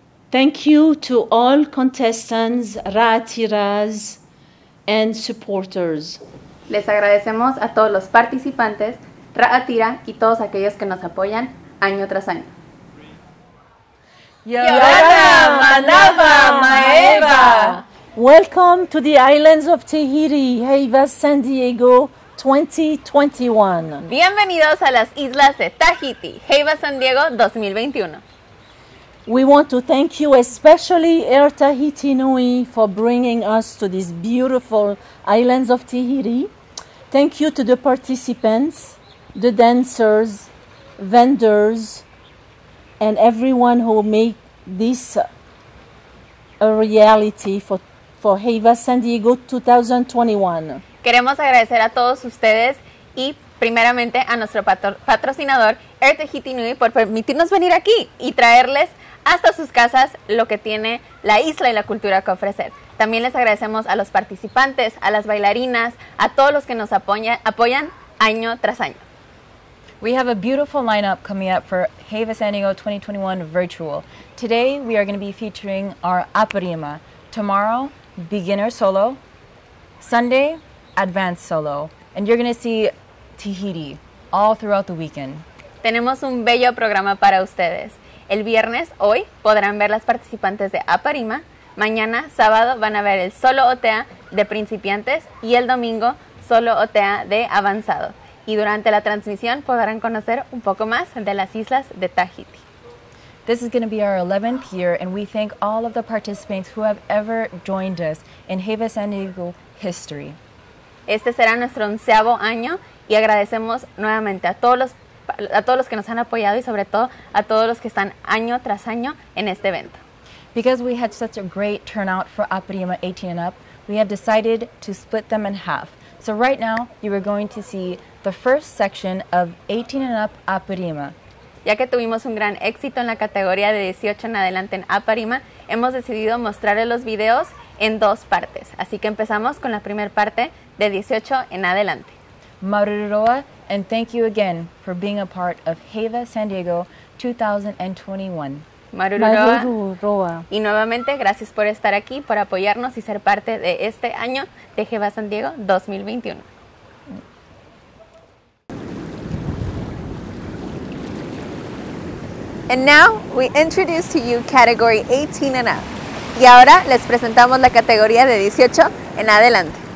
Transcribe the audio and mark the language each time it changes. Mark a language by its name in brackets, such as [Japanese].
[English] Thank you to all contestants, rātiras, and supporters. [Spanish] Les agradecemos a todos los participantes, rātira, y todos aquellos que nos apoyan año tras año. [Tahitian] Yorana, Manawa, Maeva! [English] Welcome to the islands of Tahiti, Heiva, San Diego, 2021. [Spanish] Bienvenidos a las islas de Tahiti, Heiva, San Diego, 2021. [English] We want to thank you, especially Air Tahiti Nui, for bringing us to these beautiful islands of Tahiti. Thank you to the participants, the dancers, vendors, and everyone who make this a reality for Heiva San Diego 2021. [Spanish] Queremos agradecer a todos ustedes y primeramente a nuestro patrocinador Air Tahiti Nui por permitirnos venir aquí y traerles hasta sus casas lo que tiene la isla y la cultura que ofrecer. También les agradecemos a los participantes, a las bailarinas, a todos los que nos apoyan año tras año. [English] We have a beautiful lineup coming up for Heiva San Diego 2021 Virtual. Today we are going to be featuring our Aparima. Tomorrow, beginner solo. Sunday, advanced solo. And you're going to see Tahiti all throughout the weekend. [Spanish] Tenemos un bello programa para ustedes. El viernes, hoy, podrán ver las participantes de Aparima. Mañana, sábado, van a ver el solo OTA de principiantes. Y el domingo, solo OTA de avanzado. Y durante la transmisión podrán conocer un poco más de las islas de Tahiti. [English] This is going to be our 11th year, and we thank all of the participants who have ever joined us in Heiva San Diego history. [Spanish] Este será nuestro 11º año, y agradecemos nuevamente a todos los que nos han apoyado y sobre todo a todos los que están año tras año en este evento. [English] Because we had such a great turnout for Aparima 18 and up, we have decided to split them in half. So right now, you are going to see the first section of 18 and up Aparima. [Spanish] Ya que tuvimos un gran éxito en la categoría de 18 en adelante en Aparima, hemos decidido mostrarles los videos en dos partes. Así que empezamos con la primera parte de 18 en adelante. [English] Maruroa, and thank you again for being a part of Heiva San Diego 2021. [Tahitian] Maruroa. [Spanish] Y nuevamente, gracias por estar aquí, por apoyarnos y ser parte de este año de Heiva San Diego 2021. [English] And now we introduce to you category 18 and up. [Spanish] Y ahora les presentamos la categoría de 18 en adelante.